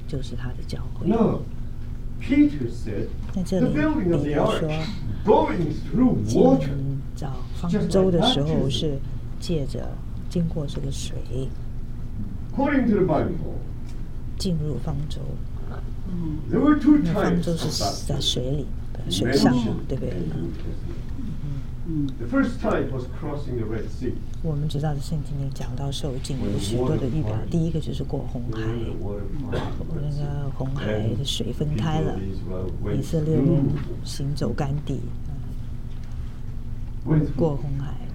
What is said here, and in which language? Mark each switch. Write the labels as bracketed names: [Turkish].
[Chinese] 就是他的教会。那这里彼得说，建造方舟的时候是借着经过这个水， [English] According to the Bible, [Chinese] 进入方舟。 [English] There were two types. [Chinese] 方舟是在水里，水上，对不对？ [English] The first type was crossing the Red Sea. [Chinese] 我们知道的圣经里讲到受浸有许多的预表，第一个就是过红海，那个红海的水分开了，以色列人行走干地，过红海。